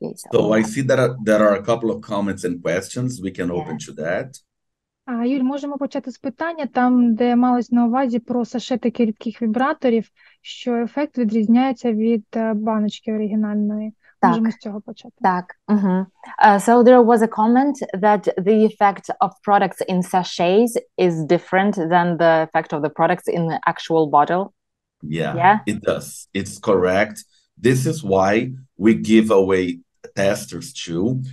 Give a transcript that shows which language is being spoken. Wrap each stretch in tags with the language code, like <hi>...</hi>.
<en>So I see that there are a couple of comments and questions. We can open to that.</en> <uk>Юль, можемо почати з питання, там, де малось на увазі про сашетики рідких вібраторів, що ефект відрізняється від баночки оригінальної. Можемо з цього почати. Так.</uk> <en>So there was a comment that the effect of products in sachets is different than the effect of the products in the actual bottle. Yeah, it does. It's correct. This is why we give away testers too.</en>